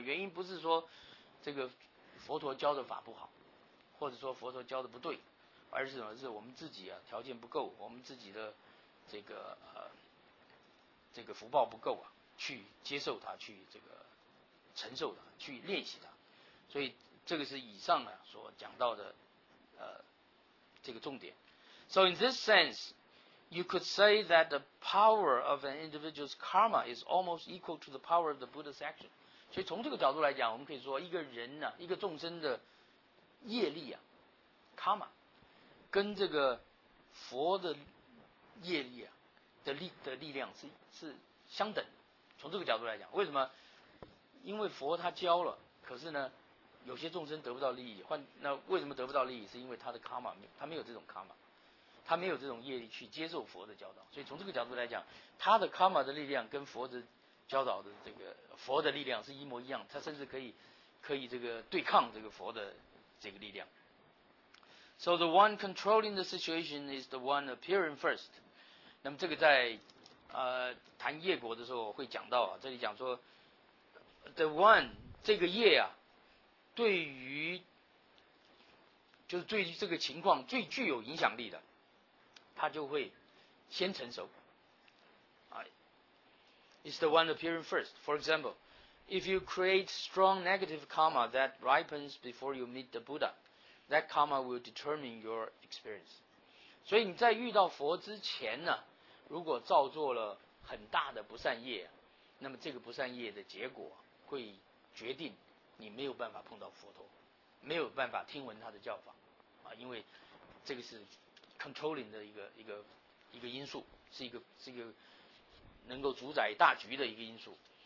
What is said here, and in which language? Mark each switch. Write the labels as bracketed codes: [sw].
[zh] 原因不是说这个佛陀教的法不好，或者说佛陀教的不对，而是什么？是我们自己啊条件不够，我们自己的这个福报不够啊，去接受它，去这个承受它，去练习它。所以这个是以上啊所讲到的这个重点。 [en] So in this sense, you could say that the power of an individual's karma is almost equal to the power of the Buddha's action. [zh] 所以从这个角度来讲，我们可以说一个人呢、啊，一个众生的业力啊 ，karma， 跟这个佛的业力啊的力量是相等的。从这个角度来讲，为什么？因为佛他教了，可是呢，有些众生得不到利益。那为什么得不到利益？是因为他的 karma， 他没有这种 karma， 他没有这种业力去接受佛的教导。所以从这个角度来讲，他的 karma 的力量跟佛的教导的这个佛的力量是一模一样，他甚至可以这个对抗这个佛的这个力量。 [en] So the one controlling the situation is the one appearing first。 [zh] 那么这个在谈业果的时候会讲到啊，这里讲说 [en] the one [zh] 这个业啊，对于就是对于这个情况最具有影响力的，他就会先成熟。 [en] It's the one appearing first. For example, if you create strong negative karma that ripens before you meet the Buddha, that karma will determine your experience. [zh] 所以你在遇到佛之前呢，如果造作了很大的不善业，那么这个不善业的结果会决定你没有办法碰到佛陀，没有办法听闻他的教法啊，因为这个是 controlling 的一个因素，是一个能够主宰大局的一个因素。